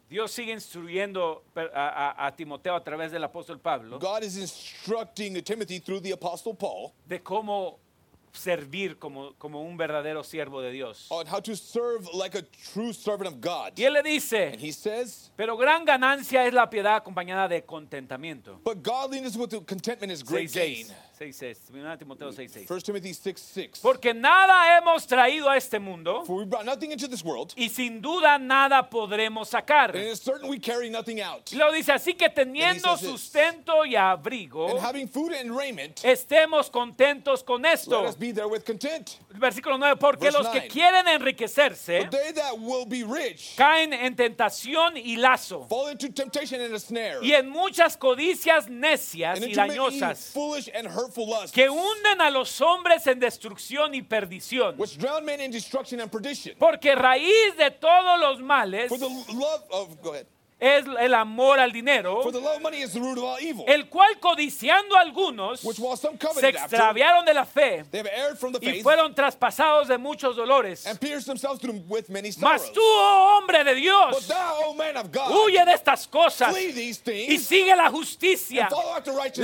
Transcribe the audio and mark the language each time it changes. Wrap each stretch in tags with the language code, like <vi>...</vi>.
<es>Dios sigue instruyendo a Timoteo a través del apóstol Pablo.</es> <en>God is instructing Timothy through the apostle Paul.</en> <es>De cómo servir como un verdadero siervo de Dios.</es> <en>On how to serve like a true servant of God.</en> <es>Y él le dice,</es> <en>and he says,</en> <es>pero gran ganancia es la piedad acompañada de contentamiento.</es> <en>But godliness with contentment is great gain.</en> <es>1 Timoteo 6:6.</es> <en>1 Timothy 6:6.</en> <es>Porque nada hemos traído a este mundo.</es> <en>For we brought nothing into this world.</en> <es>Y sin duda nada podremos sacar.</es> <en>And it is certain we carry nothing out.</en> <es>Y lo dice así que teniendo sustento y abrigo.</es> <en>And having food and raiment.</en> <es>Estemos contentos con esto.</es> <en>Let us be there with content.</en> <es>Versículo 9. Porque los que quieren enriquecerse.</es> <en>But they that will be rich.</en> <es>Caen en tentación y lazo.</es> <en>Fall into temptation and a snare.</en> <es>Y en muchas codicias necias y dañosas.</es> <en>And into many foolish and hurtful lusts,</en> <es>que hunden a los hombres en destrucción y perdición.</es> <en>Which drown men in destruction and perdition.</en> <es>Porque raíz de todos los males.</es> <en>For the love of, go ahead.</en> <es>Es el amor al dinero.</es> <en>For the love of money is the root of all evil.</en> <es>El cual codiciando a algunos.</es> <en>Which while some coveted</en> <es>se extraviaron</es> <en>after,</en> <es>de la fe.</es> <en>They have erred from the faith.</en> <es>Y fueron traspasados de muchos dolores.</es> <en>And pierced themselves through with many sorrows.</en> <es>Mas tú, oh hombre de Dios.</es> <en>But thou, oh man of God.</en> <es>Huye de estas cosas.</es> <en>Flee these things.</en> <es>Y sigue la justicia.</es> <en>And follow after righteousness.</en>